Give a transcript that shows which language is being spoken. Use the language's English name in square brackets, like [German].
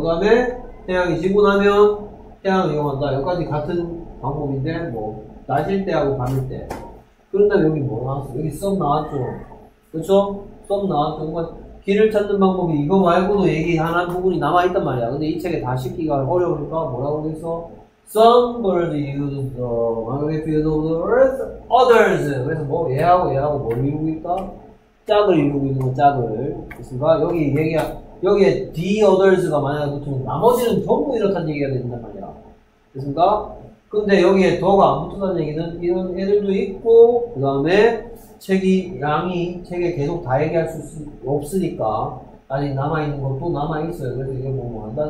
[Korean] 그 다음에, 태양이 지고 나면, 태양을 이용한다. 여기까지 같은, 방법인데 뭐 낮일 때하고 밤일 때 그런 다음에 여기 뭐 나왔어? 여기 썸 나왔죠? 그쵸? 썸 나왔던 건 길을 찾는 방법이 이거 말고도 얘기하는 부분이 남아있단 말이야. 근데 이 책에 다 씻기가 어려우니까 뭐라고 그랬어? [English] Some birds use the geography of the earth, others. [Korean] 그래서 뭐 얘하고 얘하고 뭘 이루고 있다? 짝을 이루고 있는 거 짝을. 그니까 여기 얘기야 여기에 the others가 만약에 붙으면 나머지는 전부 이렇다는 얘기가 된단 말이야. 그니까 근데 여기에 더가 안 붙었다는 얘기는 이런 애들도 있고 그 다음에 책이 양이 책에 계속 다 얘기할 수 없으니까 아직 남아있는 것도 남아있어요. 그래서 이걸 뭐 한다?